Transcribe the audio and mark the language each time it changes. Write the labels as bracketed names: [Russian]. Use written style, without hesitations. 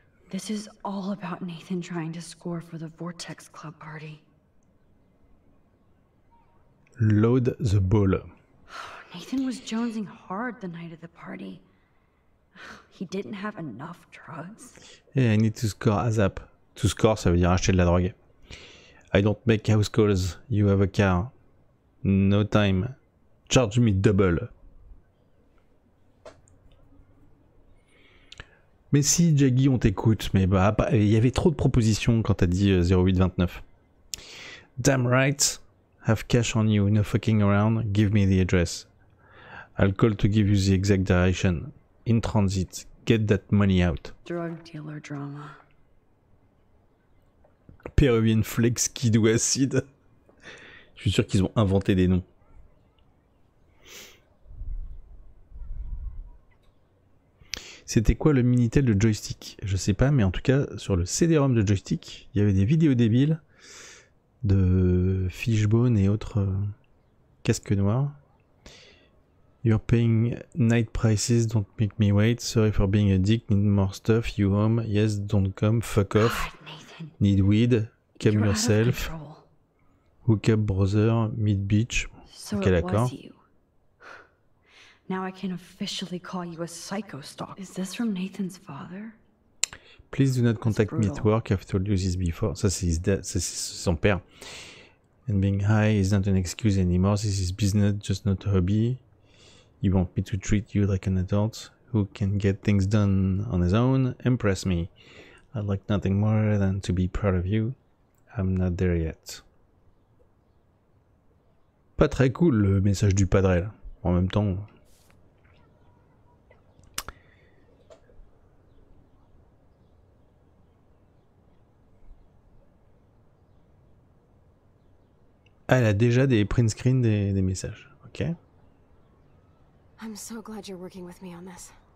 [English] This is all about Nathan trying to score for the Vortex Club party. Load the ball. Nathan was jonesing hard the night of the party. He didn't have enough drugs. Yeah, I need to score ASAP. [French] To score, ça veut dire acheter de la drogue. [English] I don't make house calls. You have a car. No time. Charge me double. [French] Mais si, Jaggy, on t'écoute, mais bah, il y avait trop de propositions quand t'as dit 0829. [English] Damn right, have cash on you, no fucking around, give me the address. I'll call to give you the exact direction. In transit, get that money out. Drug dealer drama. [French] Peruvian Flex Kid ou Acid. Je suis sûr qu'ils ont inventé des noms. C'était quoi le Minitel de Joystick? Je sais pas, mais en tout cas, sur le CD-ROM de Joystick, il y avait des vidéos débiles de Fishbone et autres casques noirs. [English] You're paying night prices, don't make me wait. Sorry for being a dick, need more stuff, you home. Yes, don't come, fuck off. Need weed, come yourself. Hook up brother, meet beach. [French] Ok, d'accord. [English] Now I can officially call you a psycho stalker. Is this from Nathan's father? Please do not contact me at work. I've told you this before. [French] Ça, c'est son père. [English] And being high is not an excuse anymore. This is business, just not a hobby. You want me to treat you like an adult who can get things done on his own? Impress me. I'd like nothing more than to be proud of you. I'm not there yet. [French] Pas très cool, le message du padre, là. En même temps... Ah, elle a déjà des print screens des messages. Ok. [English] I'm so glad you're working with me on this.